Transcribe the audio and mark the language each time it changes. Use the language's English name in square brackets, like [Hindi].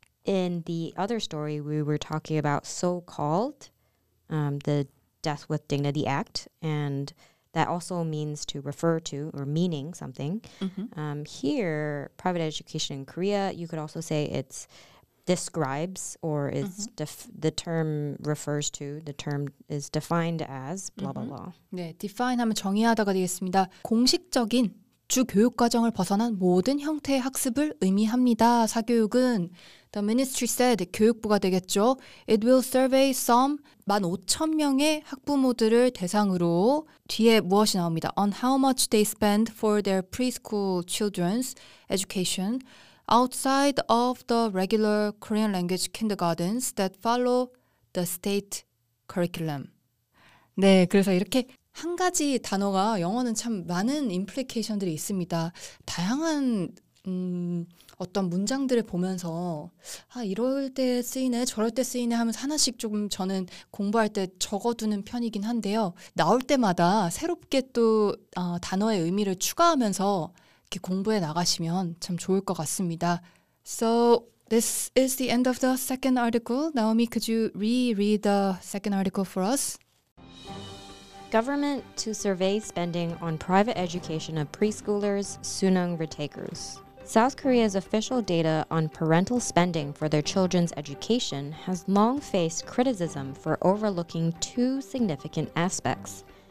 [English] In the other story, we were talking about so-called the Death with Dignity Act, and that also means to refer to or meaning something. Mm-hmm. Here, private education in Korea, you could also say it's describes or it's mm-hmm. The term refers to, the term is defined as blah, mm-hmm. blah, blah. [Korean] 네, define 하면 정의하다가 되겠습니다. 공식적인 주교육과정을 벗어난 모든 형태의 학습을 의미합니다. 사교육은 The ministry said, 교육부가 되겠죠. It will survey some 15,000명의 학부모들을 대상으로 뒤에 무엇이 나옵니다. [English] On how much they spend for their preschool children's education outside of the regular Korean language kindergartens that follow the state curriculum. [Korean] 네, 그래서 이렇게 한 가지 단어가 영어는 참 많은 implication들이 있습니다. 다양한 어떤 문장들을 보면서 아 이럴 때 쓰이네 저럴 때 쓰이네 하면서 하나씩 조금 저는 공부할 때 적어두는 편이긴 한데요. 나올 때마다 새롭게 또 단어의 의미를 추가하면서 이렇게 공부해 나가시면 참 좋을 것 같습니다. [English] So this is the end of the second article. Naomi, could you reread the second article for us? Government to survey spending on private education of preschoolers, 수능 retakers. South Korea's official data on parental spending for their children's education has long faced criticism for overlooking two significant aspects.